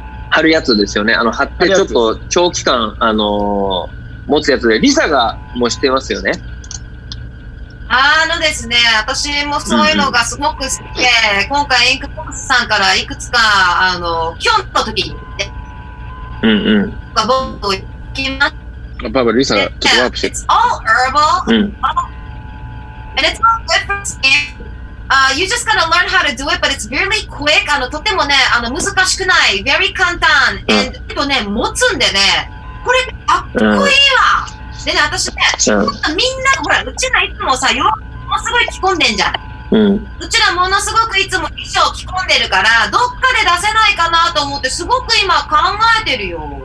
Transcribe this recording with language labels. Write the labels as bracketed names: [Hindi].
[Japanese] 貼るやつですよね。あの、貼ってちょっと長期間、持つやつで、リサがもしてますよね。あのですね、私もそういうのがすごく好きで、うんうん、今回インクボックスさんからいくつか、キュンの時に、ね、うんうん。が、ボンと行きます。パパ、リサがちょっとワープして。 [English] It's all herbal.、うん、 And it's all good for skin. You just gotta learn how to do it, but it's really quick. [Japanese] とてもね、難しくない。Very 簡単。うん、でもね、持つんでね、これかっこいいわ。うん、でね、私ね、うん、みんな、ほら、うちらいつもさ、洋服もすごい着込んでんじゃん。うん、うちらものすごくいつも衣装着込んでるから、どっかで出せないかなと思って、すごく今考えてるよ。